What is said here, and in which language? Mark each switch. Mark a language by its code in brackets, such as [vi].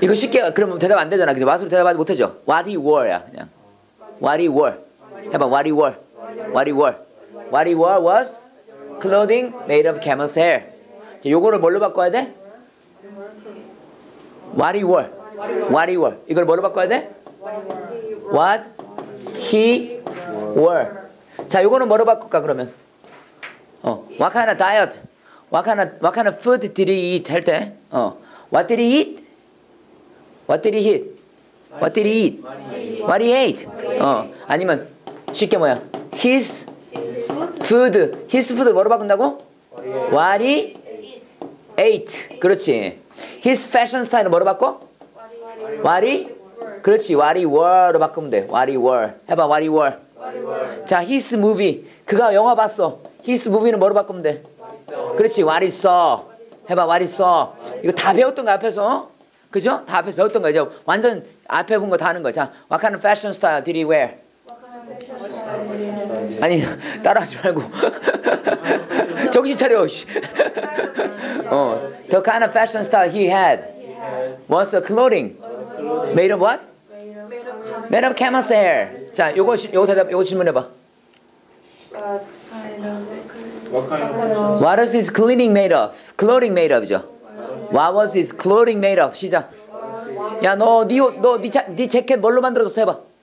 [ko] 이거 쉽게, 그럼 대답 안 되잖아. 그래서 대답하지 못하죠. [en] What he wore야, [ko] 그냥. [en] What he wore. [ko] 해봐, [en] what he wore. What he wore. What he wore was clothing made of camel's hair. [ko] 요거를 뭘로 바꿔야 돼? [en] What he wore. What he wore. [ko] 이걸 뭐로 바꿔야 돼? [en] What he wore. [ko] 자, 이거는 뭐로 바꿀까 그러면? [en] What kind of diet? What kind of food did he eat? [ko] 할 때, [en] What did he eat? What did he eat? What did he eat? What he ate? [ko] 아니면 쉽게 뭐야? [en] His food. His food [ko] 뭐로 바꾼다고? [en] What he ate. [ko] 그렇지. [en] His fashion style [ko] 뭐로 바꿔? [en] What he? 그렇지. What he wore로 바꾸면 돼. What he wore. [ko] 해봐. [en] What he wore. What he wore. [ko] 자, [en] his movie. [ko] 그가 영화 봤어. His movie는 뭐로 바꾸면 돼? [en] What he saw. [ko] 그렇지. [en] What he saw. [ko] 해봐. What he saw. What he saw. 이거 다 배웠던 거 앞에서. 그죠? 다 앞에서 배웠던 거. 이제 완전 앞에 본 거 다 하는 거. [en] 자, what kind of fashion style did he wear? What kind of fashion style? [ko] 아니, 따라하지 말고. 정신 차려. [en] The kind of fashion style he had was the clothing. Made of what? Made of camel's hair. [ko] 자, 요거 요거 대답 요거 질문해 봐. [en] What was his clothing made of? Clothing made of죠. What was his clothing made of? [ko] 시작. 야, 너 네 재킷 뭘로 만들어서 해봐.